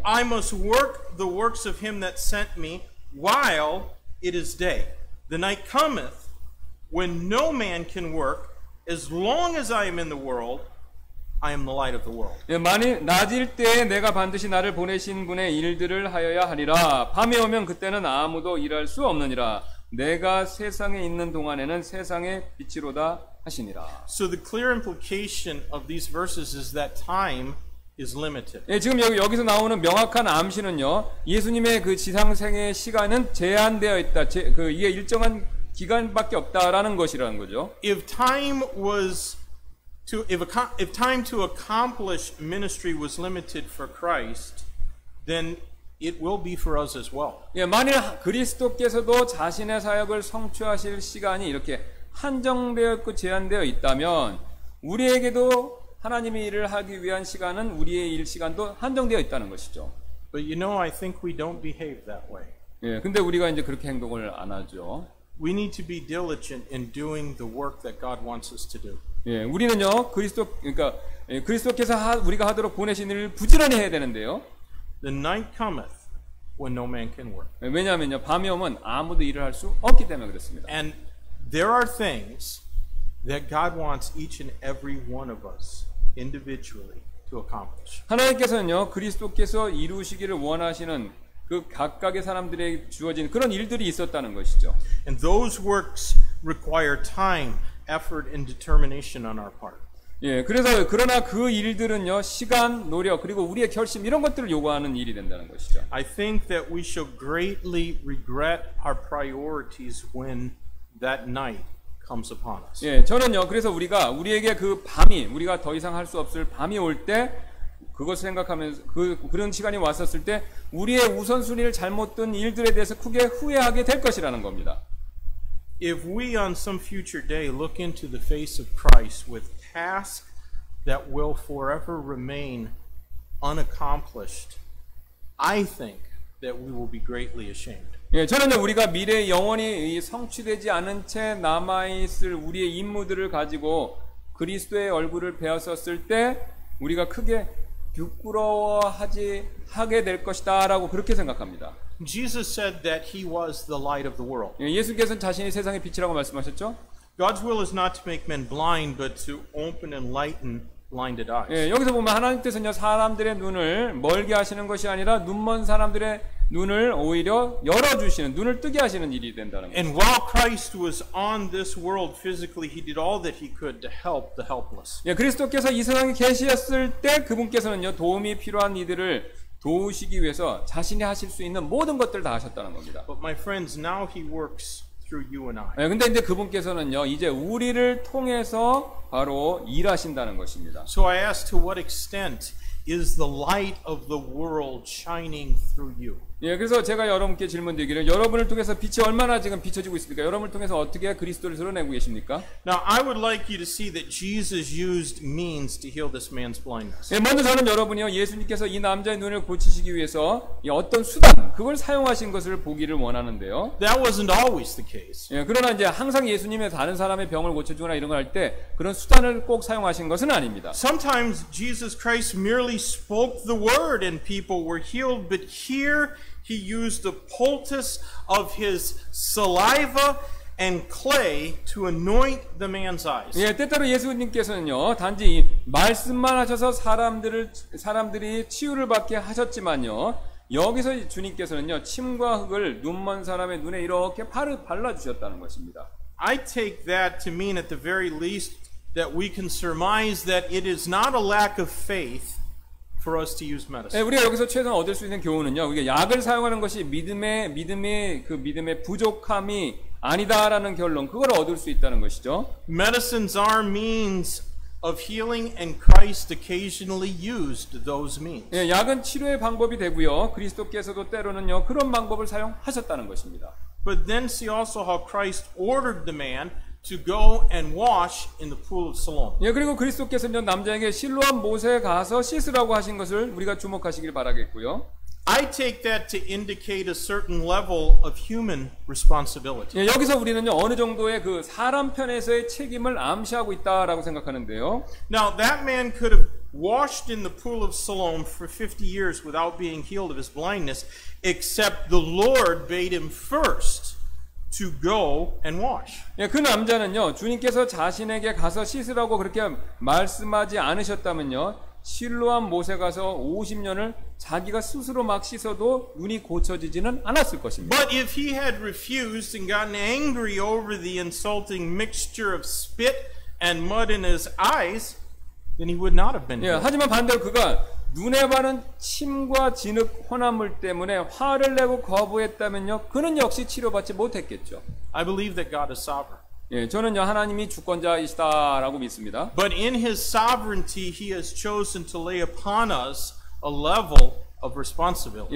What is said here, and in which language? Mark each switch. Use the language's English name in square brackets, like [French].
[English] I must work the works of him that sent me while it is day. The night cometh when no man can work. As long as I am in the world, I am the light of the world. [Korean] 예, 만일 낮일 때에 내가 반드시 나를 보내신 분의 일들을 하여야 하리라. 밤이 오면 그때는 아무도 일할 수 없느니라. 내가 세상에 있는 동안에는 세상의 빛이로다 하시니라. [English] So the clear implication of these verses is that time is limited. [Korean] 예, 지금 여기서 나오는 명확한 암시는요. 예수님의 그 지상 생애의 시간은 제한되어 있다. 이게 일정한 기간밖에 없다라는 것이라는 거죠. [English] If time to accomplish ministry was limited for Christ, then it will be for us as well. [Korean] 예, 만일 그리스도께서도 자신의 사역을 성취하실 시간이 이렇게 한정되어 있고 제한되어 있다면 우리에게도 하나님의 일을 하기 위한 시간은 우리의 일 시간도 한정되어 있다는 것이죠. [English] But you know, I think we don't behave that way. [Korean] 예, 근데 우리가 이제 그렇게 행동을 안 하죠. [English] We need to be diligent in doing the work that God wants us to do. [Korean] 예, 우리는요 그리스도께서 우리가 하도록 보내신 일을 부지런히 해야 되는데요. [English] The night cometh when no man can work. [Korean] 왜냐하면요 밤이 오면 아무도 일을 할 수 없기 때문에 그렇습니다. [English] And there are things that God wants each and every one of us individually to accomplish. [Korean] 하나님께서는요 그리스도께서 이루시기를 원하시는 그 각각의 사람들에게 주어진 그런 일들이 있었다는 것이죠. [English] And those works require time, effort, and determination on our part. [Korean] 예, 그래서 그러나 그 일들은요 시간, 노력 그리고 우리의 결심 이런 것들을 요구하는 일이 된다는 것이죠. [English] I think that we shall greatly regret our priorities when that night comes upon us. [Korean] 예, 저는요 그래서 우리에게 그 밤이 우리가 더 이상 할 수 없을 밤이 올 때 그것을 생각하면서 그런 시간이 왔었을 때 우리의 우선순위를 잘못 둔 일들에 대해서 크게 후회하게 될 것이라는 겁니다. [English] If we on some future day look into the face of Christ with tasks that will forever remain unaccomplished, I think that we will be greatly ashamed. [Korean] 예, 저는 우리가 미래에 영원히 성취되지 않은 채 남아 있을 우리의 임무들을 가지고 그리스도의 얼굴을 배웠었을 때 우리가 크게 부끄러워하게 될 것이다라고 그렇게 생각합니다. [English] Jesus said that he was the light of the world. [Korean] 예, 예수께서는 자신이 세상의 빛이라고 말씀하셨죠? [English] God's will is not to make men blind but to open and lighten blinded eyes. [Korean] 예, 여기서 보면 하나님께서는요 사람들의 눈을 멀게 하시는 것이 아니라 눈먼 사람들의 눈을 오히려 열어 주시는 눈을 뜨게 하시는 일이 된다는 거예요. [English] And while Christ was on this world physically, he did all that he could to help the helpless. [Korean] 예, 그리스도께서 이 세상에 계셨을 때 그분께서는요 도움이 필요한 이들을 도우시기 위해서 자신이 하실 수 있는 모든 것들을 다 하셨다는 겁니다. [English] But my friends, now he works through you and I. [Korean] 예, 근데 이제 그분께서는요, 이제 우리를 통해서 바로 일하신다는 것입니다. So I ask, to what extent is the light of the world shining through you? 예, 그래서 제가 여러분께 질문드리기를, 여러분을 통해서 빛이 얼마나 지금 비춰지고 있습니까? 여러분을 통해서 어떻게 그리스도를 드러내고 계십니까? [English] Now I would like you to see that Jesus used means to heal this man's blindness. [Korean] 예, 먼저 저는 여러분이요, 예수님께서 이 남자의 눈을 고치시기 위해서 이 어떤 수단, 그걸 사용하신 것을 보기를 원하는데요. [English] That wasn't always the case. [Korean] 예, 그러나 이제 항상 예수님의 다른 사람의 병을 고쳐주거나 이런 걸 할 때 그런 수단을 꼭 사용하신 것은 아닙니다. [English] Sometimes Jesus Christ merely spoke the word and people were healed, but here He used the poultice of his saliva and clay to anoint the man's eyes. [Korean] 예, 때때로 예수님께서는요, 단지 말씀만 하셔서 사람들이 치유를 받게 하셨지만요, 여기서 주님께서는요, 침과 흙을 눈먼 사람의 눈에 이렇게 발라주셨다는 것입니다. [English] I take that to mean at the very least that we can surmise that it is not a lack of faith for us to use medicine. [Korean] 우리가 여기서 최선 얻을 수 있는 교훈은요, 우리가 약을 사용하는 것이 믿음의 부족함이 아니다라는 결론, 그걸 얻을 수 있다는 것이죠. [English] Medicines are means of healing, and Christ occasionally used those means. [Korean] 예, 약은 치료의 방법이 되고요, 그리스도께서도 때로는요 그런 방법을 사용하셨다는 것입니다. [English] But then see also how Christ ordered the man to go and wash in the pool of Siloam. [Korean] 예, 그리고 그리스도께서는 남자에게 실로암 못에 가서 씻으라고 하신 것을 우리가 주목하시길 바라겠고요. [English] I take that to indicate a certain level of human responsibility. [Korean] 예, 여기서 우리는요, 어느 정도의 그 사람 편에서의 책임을 암시하고 있다라고 생각하는데요. [English] Now that man could have washed in the pool of Siloam for 50 years without being healed of his blindness, except the Lord bade him first to go and wash. [Korean] 예, 그 남자는요, 주님께서 자신에게 가서 씻으라고 그렇게 말씀하지 않으셨다면요, 실로암 못에 가서 50년을 자기가 스스로 막 씻어도 눈이 고쳐지지는 않았을 것입니다. [English] But if he had refused and gotten angry over the insulting mixture of spit and mud in his eyes, then he would not have been. [Korean] 예, 하지만 반대로 그가 눈에 바른 침과 진흙 혼합물 때문에 화를 내고 거부했다면요, 그는 역시 치료받지 못했겠죠. [English] I believe that God is sovereign. [Korean] 예, 저는요, 하나님이 주권자이시다라고 믿습니다. [English] But in His sovereignty, He has chosen to lay upon us a level of responsibility.